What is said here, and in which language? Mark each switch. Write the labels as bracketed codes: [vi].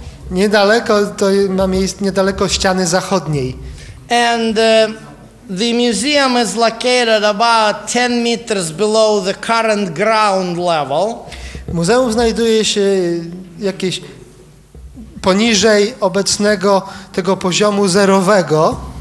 [pl] Niedaleko to ma miejsce niedaleko ściany zachodniej. [en] And the museum is located about 10 meters below the current ground level. [pl] Muzeum znajduje się jakieś poniżej obecnego tego poziomu zerowego.